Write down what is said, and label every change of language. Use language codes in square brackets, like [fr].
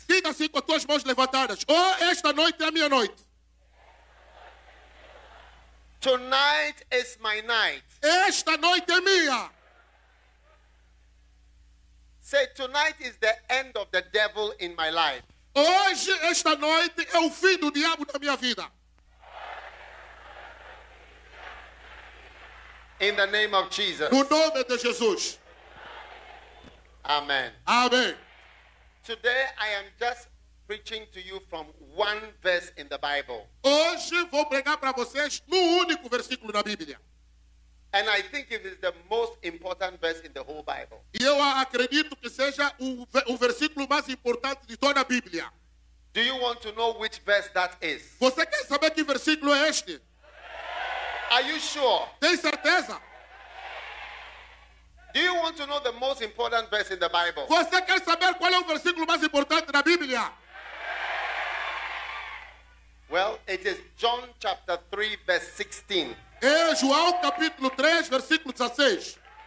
[pt] Diga assim com as tuas mãos levantadas. Oh, esta noite é a minha noite. [en] Tonight is my night. [pt] Esta noite é minha. [en] Say, tonight is the end of the devil in my life. [pt] Hoje, esta noite, é o fim do diabo na minha vida. [en] In the name of Jesus. [pt] No nome de Jesus. [en] Amen. [pt] Amen. [en] Today I am just preaching to you from one verse in the Bible. [pt] Hoje vou pregar para vocês no único versículo da Bíblia. [en] And I think it is the most important verse in the whole Bible. [pt] E eu acredito que seja o versículo mais importante de toda a Bíblia. [en] Do you want to know which verse that is? [pt] Você quer saber que versículo é este? [en] Are you sure? [pt] Tem certeza? [en] Do you want to know the most important verse in the Bible? [pt] Você quer saber qual é o versículo mais importante da Bíblia? [en] Well, it is John chapter 3 verse 16. [pt] É João capítulo 3 versículo 16.